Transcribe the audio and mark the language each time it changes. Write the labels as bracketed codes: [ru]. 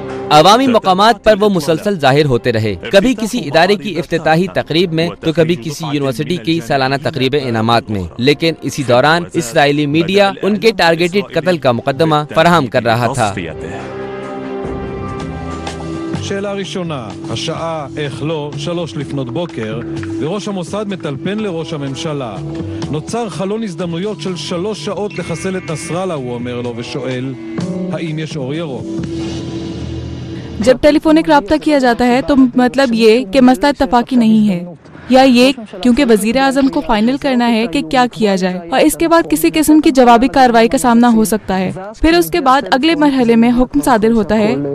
[ur] عوامی مقامات پر وہ مسلسل ظاہر ہوتے رہے, کبھی کسی ادارے کی افتتاحی تقریب میں تو کبھی کسی یونیورسٹی کی سالانہ تقریب انعامات میں. لیکن اسی دوران اسرائیلی میڈیا ان کے ٹارگیٹڈ قتل کا مقدمہ فراہم کر رہا تھا. [he] שאלה ראשונה, השעה, איך לא, 3:00 לפנות בוקר, וראש המוסד מטלפן לראש הממשלה. נוצר חלון הזדמנויות של 3 שעות לחסל את נסראללה, הוא אומר לו ושואל, האם יש אור ירוק? [ur] جب ٹیلیفونک رابطہ کیا جاتا ہے تو مطلب یہ کہ مسئلہ اتفاقی نہیں ہے, یا یہ کیونکہ وزیر اعظم کو فائنل کرنا ہے کہ کیا کیا جائے اور اس کے بعد کسی قسم کی جوابی کارروائی کا سامنا ہو سکتا ہے. پھر اس کے بعد اگلے مرحلے میں حکم صادر ہوتا ہے